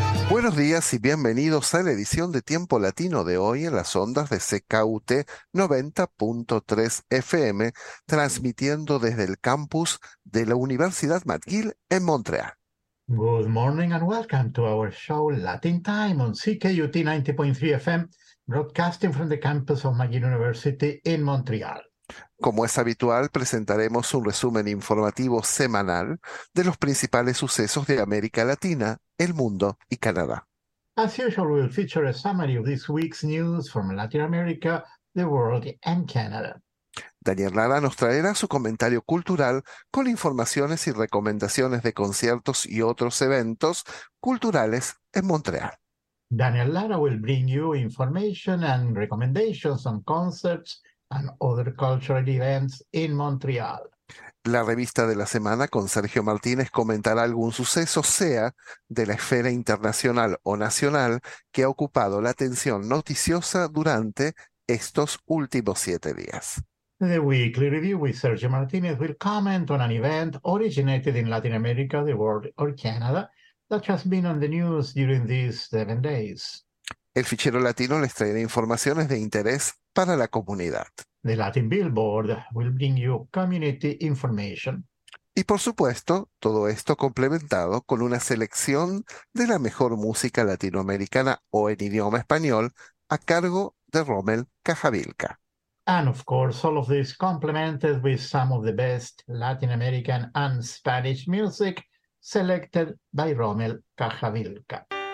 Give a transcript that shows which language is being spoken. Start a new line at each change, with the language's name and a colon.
Spanish: Buenos días y bienvenidos a la edición de Tiempo Latino de hoy en las ondas de CKUT 90.3 FM, transmitiendo desde el campus de la Universidad McGill en Montreal.
English: Good morning and welcome to our show Latin Time on CKUT 90.3 FM, broadcasting from the campus of McGill University in Montreal.
Spanish: Como es habitual, presentaremos un resumen informativo semanal de los principales sucesos de América Latina, el mundo y Canadá.
English: As usual, we will feature a summary of this week's news from Latin America, the world, and Canada.
Spanish: Daniel Lara nos traerá su comentario cultural con informaciones y recomendaciones de conciertos y otros eventos culturales en Montreal.
English: Daniel Lara will bring you information and recommendations on concerts and other cultural events in Montreal.
Spanish: La revista de la semana con Sergio Martínez comentará algún suceso, sea de la esfera internacional o nacional, que ha ocupado la atención noticiosa durante estos últimos 7 días.
English: The weekly review with Sergio Martínez will comment on an event originated in Latin America, the world, or Canada that has been on the news during these 7 days.
Spanish: El fichero latino les traerá informaciones de interés para la comunidad.
English: The Latin Billboard will bring you community information.
Spanish: Y por supuesto, todo esto complementado con una selección de la mejor música latinoamericana o en idioma español a cargo de Rommel Cajavilca.
English: And of course, all of this complemented with some of the best Latin American and Spanish music selected by Rommel Cajavilca.